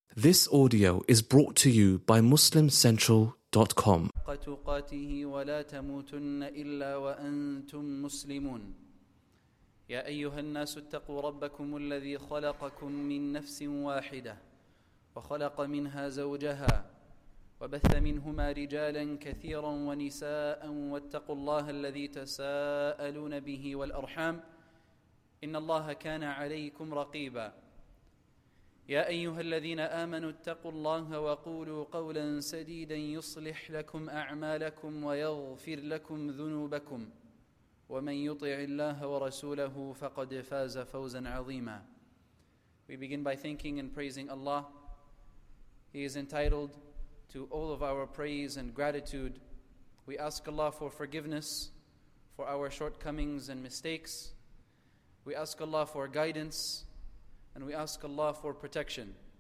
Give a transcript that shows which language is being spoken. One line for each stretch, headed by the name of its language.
English: This audio is brought to you by MuslimCentral.com.
Arabic: قاتقاته ولا تموتن إلا وأنتم مسلمون. يا أيها الناس اتقوا ربكم الذي خلقكم من نفس واحدة وخلق منها زوجها وبث منهما رجالا كثيرا ونساء واتقوا الله الذي تساءلون به والأرحام إن الله كان عليكم رقيبا. يا أيها الذين آمنوا اتقوا الله وقولوا قولا سديدا يصلح لكم أعمالكم ويغفر لكم ذنوبكم ومن يطع الله ورسوله فقد فاز فوزا عظيما.
English: We begin by thanking and praising Allah. He is entitled to all of our praise and gratitude. We ask Allah for forgiveness for our shortcomings and mistakes. We ask Allah for guidance, and we ask Allah for protection.